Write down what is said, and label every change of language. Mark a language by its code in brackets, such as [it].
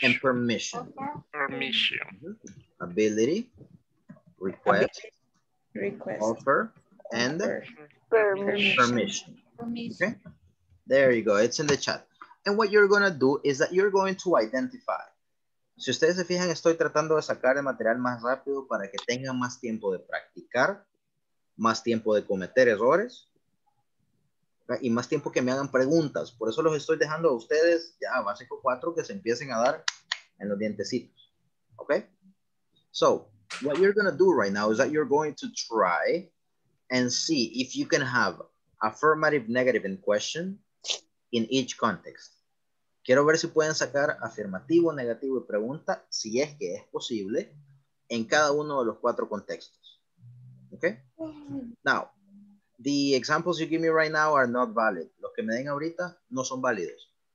[en] And permission. Permission. Mm-hmm. Ability. Request. Request. Offer and permission. Okay. There you go. It's in the chat. And what you're going to do is that you're going to identify. [es] Si ustedes se fijan, estoy tratando de sacar el material más rápido para que tengan más tiempo de practicar, más tiempo de cometer errores, y más tiempo que me hagan preguntas. Por eso los estoy dejando a ustedes ya básico 4 que se empiecen a dar en los dientecitos. [en] Okay? So, what you're going to do right now is that you're going to try and see if you can have affirmative, negative, and question in each context. [es] Quiero ver si pueden sacar afirmativo, negativo, y pregunta, si es que es posible, en cada uno de los 4 contextos. [en] Okay? Now, the examples you give me right now are not valid. [es] Los que me den ahorita no son válidos.